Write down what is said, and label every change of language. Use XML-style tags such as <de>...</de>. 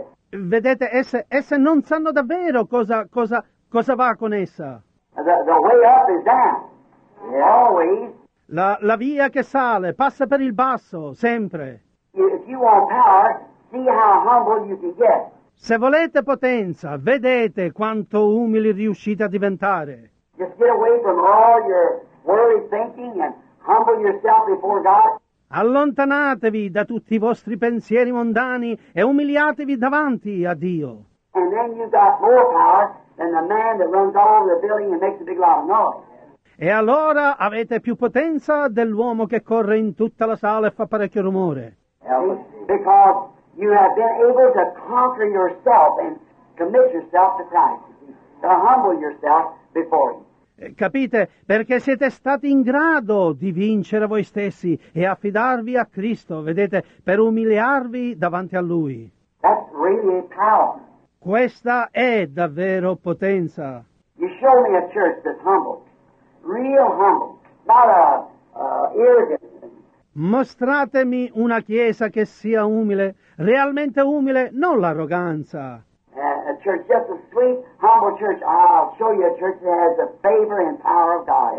<it>Vedete, esse non sanno davvero cosa va con essa.</it> <en>The way up is down. Always.</en> <it>La via che sale passa per il basso, sempre.</it> <en>If you want power, see how humble you can get.</en> <it>Se volete potenza, vedete quanto umili riuscite a diventare.</it> <en>Just get away from all your worldly thinking and humble yourself before God.</en> <it>Allontanatevi da tutti i vostri pensieri mondani e umiliatevi davanti a Dio.</it> <en>And then you've got more power than the man that runs all the building and makes a big loud noise.</en> <it>E allora avete più potenza dell'uomo che corre in tutta la sala e fa parecchio rumore.</it> <en>Because you have been able to conquer yourself and commit yourself to Christ, to humble yourself before him.</en> <it>Capite? Perché siete stati in grado di vincere voi stessi e affidarvi a Cristo, vedete, per umiliarvi davanti a Lui.</it> <en>That's really power.</en> <it>Questa è davvero potenza.</it> <en>You show me a church that's humble, real humble, not arrogant.</en> <it>Mostratemi una chiesa che sia umile, realmente umile, non l'arroganza.</it> <en>A church, just a sweet, humble church. I'll show you a church that has the favor and power of God.</en>